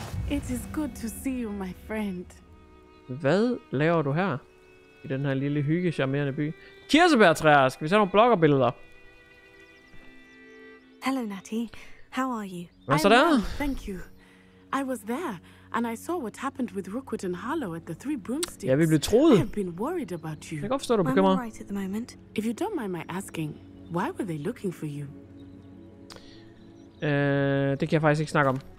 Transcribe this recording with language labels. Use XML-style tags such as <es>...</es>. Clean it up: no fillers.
<en>It is good to see you, my friend.</en> <da>Hvad laver du her? I den her lille hygge charmerende by. Kirsebærtræer, skal vi se nogle bloggerbilleder?</da> <en>Hello, Natty. How are you?</en> <da>Hvad så der?</da> <en>Thank you. I was there, and I saw what happened with Rookwood and Harlow at the Three Broomsticks.</en> <da>Ja, vi blev troet.</da> <en>I've been worried about you.</en> <da>Jeg kan godt forstå, du bekymrer.</da> <en>I'm all right at the moment. If you don't mind my asking, why were they looking for you?</en> <da>Det kan jeg faktisk ikke snakke om.</da>